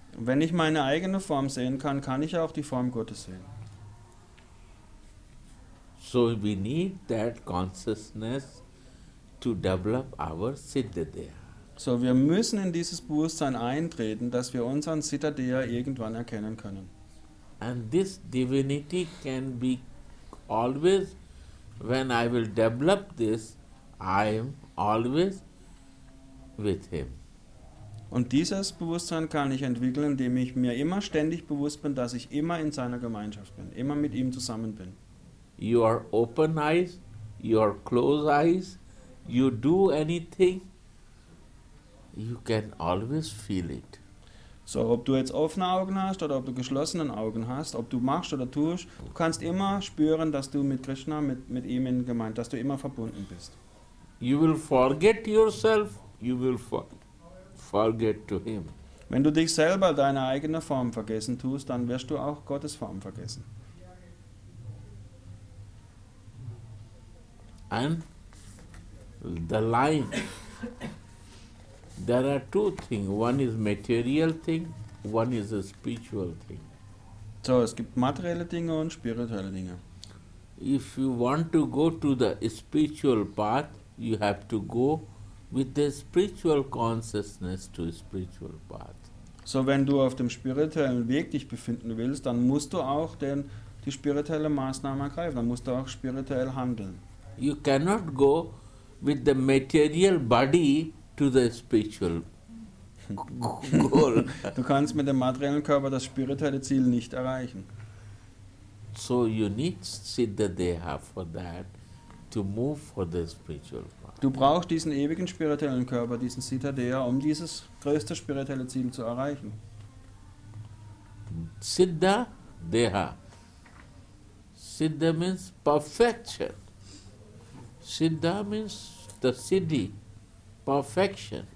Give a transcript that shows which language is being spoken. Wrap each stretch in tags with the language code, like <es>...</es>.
<de>Wenn ich meine eigene Form sehen kann, kann ich auch die Form Gottes sehen.</de> <en>So we need that consciousness to develop our Siddhadeha.</en> <de>So wir müssen in dieses Bewusstsein eintreten, dass wir unseren Siddhadeha irgendwann erkennen können.</de> <en>And this divinity can be always, when I will develop this, I am always with him.</en> <de>Und dieses Bewusstsein kann ich entwickeln, indem ich mir immer ständig bewusst bin, dass ich immer in seiner Gemeinschaft bin, immer mit ihm zusammen bin.</de> <en>You are open eyes, you are close eyes, you do anything, you can always feel it.</en> <de>So, ob du jetzt offene Augen hast oder ob du geschlossene Augen hast, ob du machst oder tust, du kannst immer spüren, dass du mit Krishna, mit ihm in Gemeinschaft, dass du immer verbunden bist.</de> <en>You will forget yourself, you will forget to him.</en> <de>Wenn du dich selber deine eigene Form vergessen tust, dann wirst du auch Gottes Form vergessen.</de> <en>And the line, there are two things, one is material thing, one is a spiritual thing.</en> <de>So, es gibt materielle Dinge und spirituelle Dinge.</de> <en>If you want to go to the spiritual path, you have to go with the spiritual consciousness to the spiritual path.</en> <de>So, wenn du auf dem spirituellen Weg dich befinden willst, dann musst du auch die spirituelle Maßnahme ergreifen, dann musst du auch spirituell handeln.</de> <en>You cannot go with the material body to the spiritual goal.</en> <de>Du kannst mit dem materiellen Körper das spirituelle Ziel nicht erreichen.</de> <en>So you need Siddhadeha for that, to move for the spiritual path.</en> <de>Du brauchst diesen ewigen spirituellen Körper, diesen Siddhadeha, um dieses größte spirituelle Ziel zu erreichen.</de> <en>Siddhadeha. Siddha means perfection. Siddha means the siddhi, perfection.</en>